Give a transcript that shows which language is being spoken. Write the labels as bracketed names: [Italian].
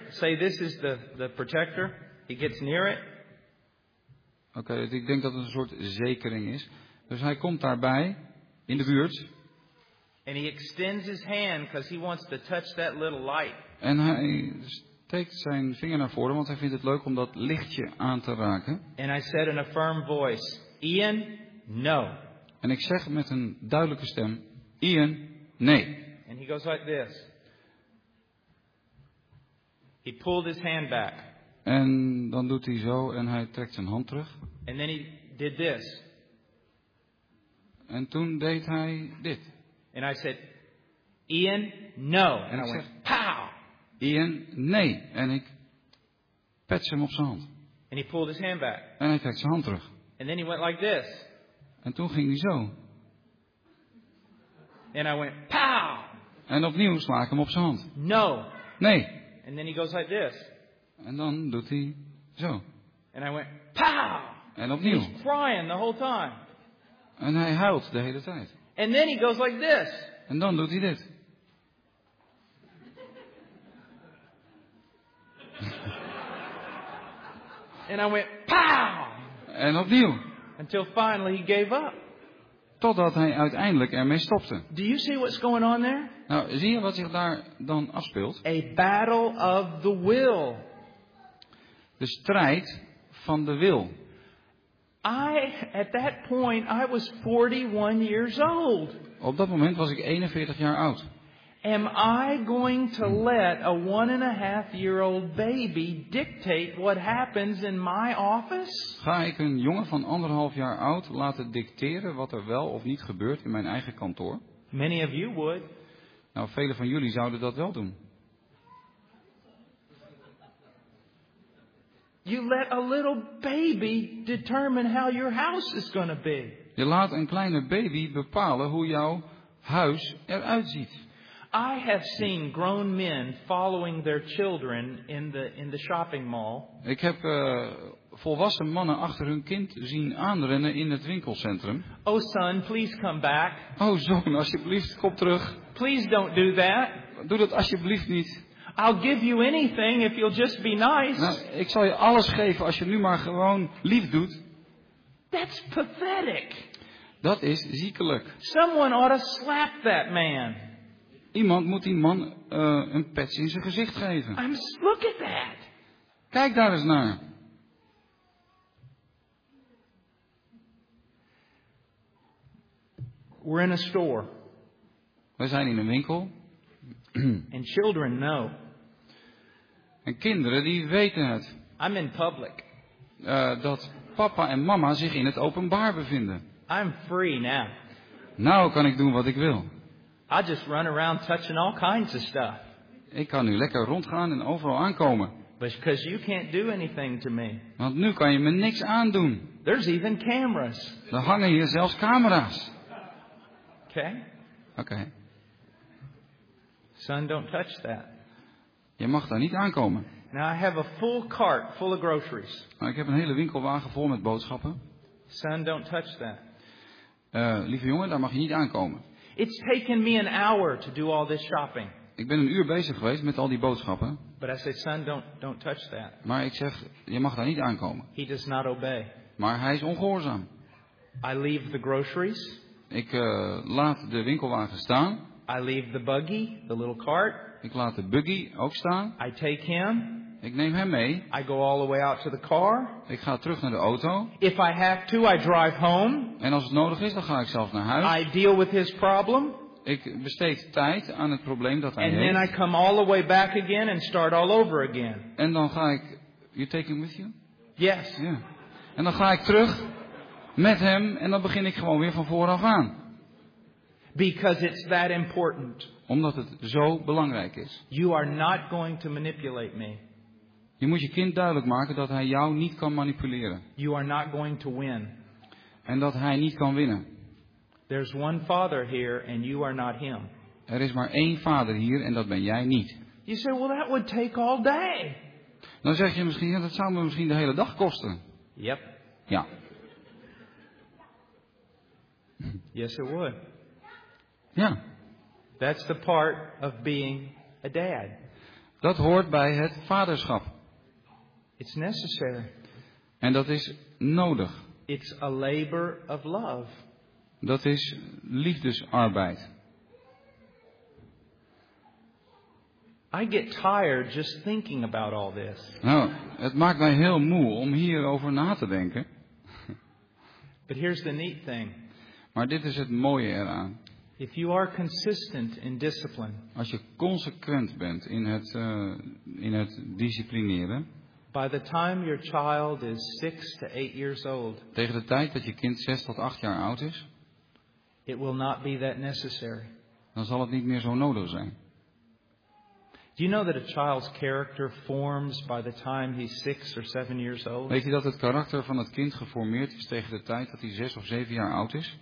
[English] Say this is the protector. He gets near it. [Dutch] Oké, okay, ik denk dat het een soort zekering is. Dus hij komt daarbij in de buurt. [English] And he extends his hand because he wants to touch that little light. [Dutch] En hij steekt zijn vinger naar voren, want hij vindt het leuk om dat lichtje aan te raken. [English] And I said in a firm voice, Ian, no. [Dutch] En ik zeg met een duidelijke stem, Ian, nee. [English] And he goes like this. He pulled his hand back. [Dutch] En dan doet hij zo en hij trekt zijn hand terug. [English] And then he did this. [Dutch] En toen deed hij dit. [English] And I said, Ian, no. [Dutch] En [English] I went, pow. [Dutch] Ian, nee. En ik pets hem op zijn hand. [English] And he pulled his hand back. [Dutch] En hij trekt zijn hand terug. [English] And then he went like this. [Dutch] En toen ging hij zo. [English] And I went, pow. [Dutch] En opnieuw sla ik hem op zijn hand. [English] No. [Dutch] Nee. [English] And then he goes like this. [Dutch] En dan doet hij zo. [English] And I went, pow! [Dutch] En opnieuw. [English] He's crying the whole time. [Dutch] En hij huilt de hele tijd. [English] And then he goes like this. [Dutch] En dan doet hij dit. [English] And I went, pow! [Dutch] En opnieuw. [English] Until finally he gave up. [Dutch] Totdat hij uiteindelijk ermee stopte. [English] Do you see what's going on there? [Dutch] Nou, zie je wat zich daar dan afspeelt? [English] A battle of the will. [Dutch] De strijd van de wil. [English] At that point, I was 41 years old. [Dutch] Op dat moment was ik 41 jaar oud. [English] Am I going to let a 1.5-year-old baby dictate what happens in my office? [Dutch] Ga ik een jongen van 1.5 jaar oud laten dicteren wat er wel of niet gebeurt in mijn eigen kantoor? [English] Many of you would. [Dutch] Nou, velen van jullie zouden dat wel doen. [English] You let a little baby determine how your house is going to be. [Dutch] Je laat een kleine baby bepalen hoe jouw huis eruit ziet. [English] I have seen grown men following their children in the shopping mall. [Dutch] Ik heb volwassen mannen achter hun kind zien aanrennen in het winkelcentrum. [English] Oh son, please come back. [Dutch] Oh zoon, alsjeblieft, kom terug. [English] Please don't do that. [Dutch] Doe dat alsjeblieft niet. [English] I'll give you anything if you'll just be nice. [Dutch] Nou, ik zal je alles geven als je nu maar gewoon lief doet. [English] That's pathetic. [Dutch] Dat is ziekelijk. [English] Someone ought to slap that man. [Dutch] Iemand moet die man een pet in zijn gezicht geven. [English] Look at that. [Dutch] Kijk daar eens naar. [English] We're in a store. [Dutch] We zijn in een winkel. [English] And children know. [Dutch] En kinderen die weten het. [English] I'm in public. [Dutch] Dat papa en mama zich in het openbaar bevinden. [English] I'm free now. [Dutch] Nou kan ik doen wat ik wil. [English] I just run around touching all kinds of stuff. [Dutch] Ik kan nu lekker rondgaan en overal aankomen. [English] Because you can't do anything to me. [Dutch] Want nu kan je me niks aandoen. [English] There's even cameras. [Dutch] Er hangen hier zelfs camera's. [English] Okay. Son, don't touch that. [Dutch] Je mag daar niet aankomen. [English] Now I have a full cart full of groceries. [Dutch] Nou, ik heb een hele winkelwagen vol met boodschappen. [English] Son, don't touch that. [Dutch] Lieve jongen, daar mag je niet aankomen. [English] It's taken me an hour to do all this shopping. [Dutch] Ik ben een uur bezig geweest met al die boodschappen. [English] But I said, son, don't touch that. [Dutch] Maar ik zeg, je mag daar niet aankomen. [English] He does not obey. [Dutch] Maar hij is ongehoorzaam. [English] I leave the groceries. [Dutch] Ik laat de winkelwagen staan. [English] I leave the buggy, the little cart. [Dutch] Ik laat de buggy ook staan. [English] I take him. [Dutch] Ik neem hem mee. [English] I go all the way out to the car. [Dutch] Ik ga terug naar de auto. [English] If I have to, I drive home. [Dutch] En als het nodig is, dan ga ik zelfs naar huis. [English] I deal with his problem. [Dutch] Ik besteed tijd aan het probleem dat hij [English] and [Dutch] heeft. [English] And then I come all the way back again and start all over again. [Dutch] En dan ga ik. [English] You take him with you? Yes. [Dutch] Ja. [English] Yeah. [Dutch] En dan ga ik terug met hem en dan begin ik gewoon weer van vooraf aan. [English] Because it's that important. [Dutch] Omdat het zo belangrijk is. [English] You are not going to manipulate me. [Dutch] Je moet je kind duidelijk maken dat hij jou niet kan manipuleren. [English] You are not going to win. [Dutch] En dat hij niet kan winnen. [English] There's one father here and you are not him. [Dutch] Er is maar één vader hier en dat ben jij niet. [English] You say, well, that would take all day. [Dutch] Dan zeg je misschien, ja, dat zou me misschien de hele dag kosten. [English] Yep. [Dutch] Ja. [English] Yes, it would. [Dutch] Ja. [English] That's the part of being a dad. [Dutch] Dat hoort bij het vaderschap. [English] It's necessary. [Dutch] En dat is nodig. [English] It's a labor of love. [Dutch] Dat is liefdesarbeid. [English] I get tired just thinking about all this. [Dutch] Nou, het maakt mij heel moe om hierover na te denken. [English] But here's the neat thing. [Dutch] Maar dit is het mooie eraan. [English] If you are consistent in discipline. [Dutch] Als je consequent bent in het disciplineren. [English] By the time your child is 6 to 8 years old. [Dutch] Tegen de tijd dat je kind 6 tot 8 jaar oud is. [English] It will not be that necessary. [Dutch] Dan zal het niet meer zo nodig zijn. [English] Do you know that a child's character forms by the time he's 6 or 7 years old? [Dutch] Weet je dat het karakter van het kind geformeerd is tegen de tijd dat hij 6 of 7 jaar oud is?